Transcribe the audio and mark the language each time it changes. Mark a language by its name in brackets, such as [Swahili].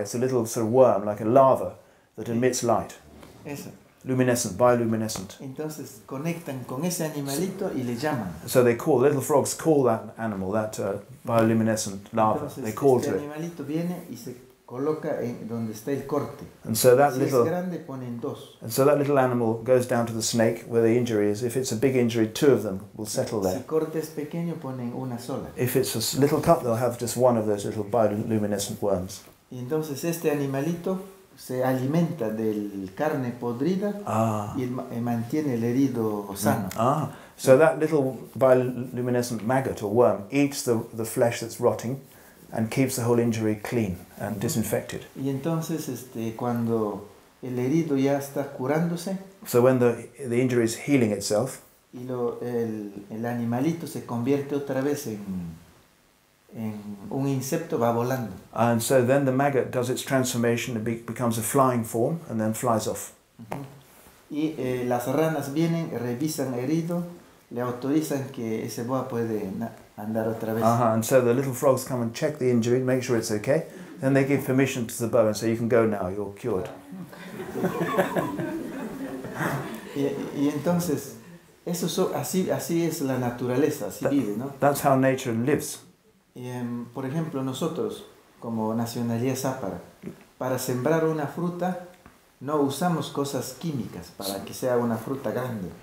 [English] It's a little sort of worm, like a larva that emits light. [Spanish] Eso. [English] Luminescent, bioluminescent. [Spanish] Entonces conectan con ese animalito y le llaman. [English] So they call, little frogs call that animal, that bioluminescent larva. [Spanish] Entonces, [English] they call to it. [Spanish] Este animalito viene y se coloca en donde está el corte. [English] And so that [Spanish] si [English] little, [Spanish] es grande, ponen dos. [English] And so that little animal goes down to the snake where the injury is. If it's a big injury, two of them will settle there. [Spanish] Si corte es pequeño, ponen una sola. [English] If it's a little cut, they'll have just one of those little bioluminescent worms. [Spanish] Y entonces este animalito se alimenta del carne podrida y mantiene el herido sano. [English] Ah, so that little bioluminescent maggot or worm eats the flesh that's rotting and keeps the whole injury clean and disinfected. [Spanish] Y entonces cuando el herido ya está curándose. [English] So when the injury is healing itself. [Spanish] Y el animalito se convierte otra vez en un insecto va volando. [English] And so then the maggot does its transformation and becomes a flying form and then flies off. [Spanish] Uh-huh. Y las ranas vienen, revisan herido, le autorizan que ese boa puede andar otra vez. Uh-huh. [English] And so the little frogs come and check the injury, make sure it's okay. Then they give permission to the boa and say, you can go now, you're cured. [Spanish] Y entonces, eso así es la naturaleza, así vive, ¿no? [English] That's how nature lives. [Spanish] Y, por ejemplo, nosotros, como nacionalidad zapara, para sembrar una fruta, no usamos cosas químicas para que sea una fruta grande.